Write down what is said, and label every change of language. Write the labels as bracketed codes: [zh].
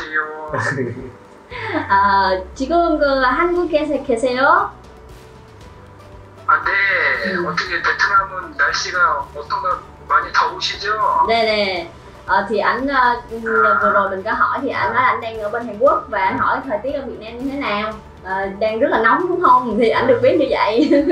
[vi] Hiện tại Hàn Quốc [ko] 에 계세요? 네, 어떻게 베트남은 날씨가 어떤가? 많이 더우시죠? 네네. 아, 지금 [vi] vừa rồi mình có hỏi thì anh nói anh đang ở bên Hàn Quốc và anh hỏi thời tiết ở Việt Nam như thế nào. Đang rất là nóng đúng không? Thì anh được biết như vậy.